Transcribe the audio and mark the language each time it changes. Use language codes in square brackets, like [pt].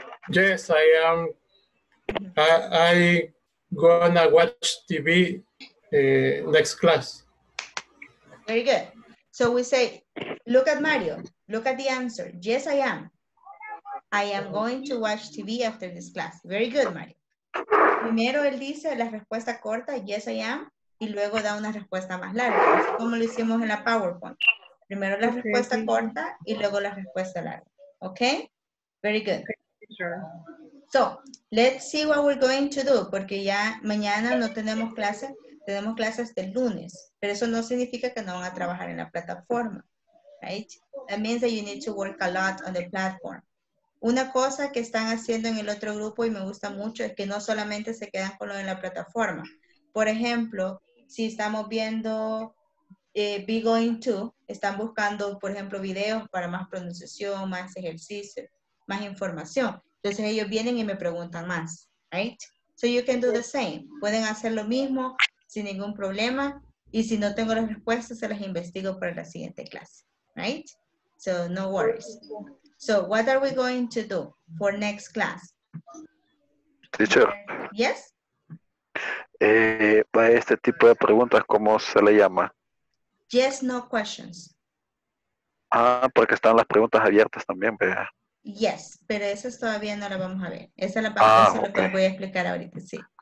[en] Yes, I am. I gonna watch TV next class. Very good. So we say, look at Mario, look at the answer. Yes, I am. I am going to watch TV after this class. Very good, Mario. [es] Primero él dice la respuesta corta, [en] yes, I am, [es] y luego da una respuesta más larga, así como lo hicimos en la PowerPoint. Primero la respuesta corta y luego la respuesta larga. [en] Okay? Very good. So, let's see what we're going to do, [es] porque ya mañana no tenemos clase, tenemos clases del lunes, pero eso no significa que no van a trabajar en la plataforma, right? [en] That means that you need to work a lot on the platform. [es] Una cosa que están haciendo en el otro grupo y me gusta mucho es que no solamente se quedan con lo de la plataforma. Por ejemplo, si estamos viendo Be Going To, están buscando, por ejemplo, videos para más pronunciación, más ejercicio, más información. Entonces ellos vienen y me preguntan más, right? [en] So you can do the same. [es] Pueden hacer lo mismo sin ningún problema. Y si no tengo las respuestas, se las investigo para la siguiente clase, right? [en] So no worries. So what are we going to do for next class? Teacher. Yes? [es] Para este tipo de preguntas, ¿cómo se le llama? [en] Yes, no questions. [es] Ah, porque están las preguntas abiertas también, ¿verdad? Yes, pero esas todavía no las vamos a ver. Esa es la parte que voy a explicar ahorita, sí.